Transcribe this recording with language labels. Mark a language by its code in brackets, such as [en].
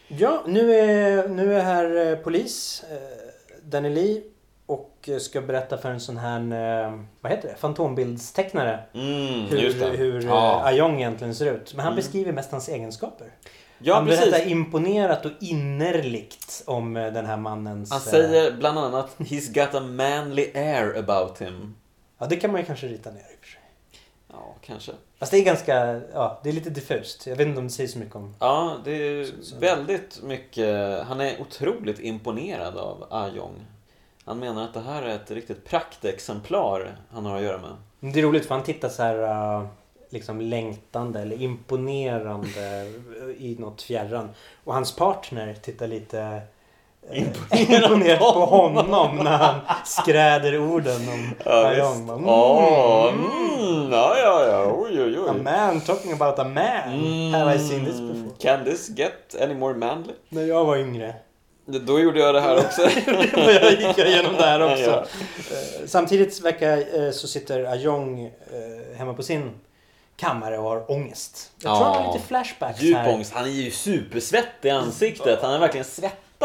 [sv] Ja, nu är här polis Daniel Lee och ska berätta för en sån här vad heter det? Fantombildstecknare. Mm, Ajong egentligen ser ut. Men han beskriver mest hans egenskaper. Ja, han precis. Berättar imponerat och innerligt om den här mannens. Han säger bland annat [en] he's got a manly air about him. [sv] Ja, det kan man ju kanske rita ner i och för sig. Ja, kanske. Fast det är ganska, ja, det är lite diffust. Jag vet inte om det säger så mycket om... Ja, det är väldigt mycket... Han är otroligt imponerad av Ajong. Han menar att det här är ett riktigt praktexemplar han har att göra med. Det är roligt för han tittar så här liksom längtande eller imponerande i något fjärran. Och hans partner tittar lite imponerad på honom när han skräder orden om Ajong. Ja. Oj. [en] A man talking about a man. Have I seen this before? Can this get any more manly? [sv] När jag var yngre. Då gjorde jag det här också. Jag gick igenom det här också. Ja. Samtidigt verkar så sitter Ajong hemma på sin kammare och har ångest. Jag tror han har lite flashbacks djup här. Djup ångest. Han är ju supersvettig i ansiktet. Han är verkligen svettig.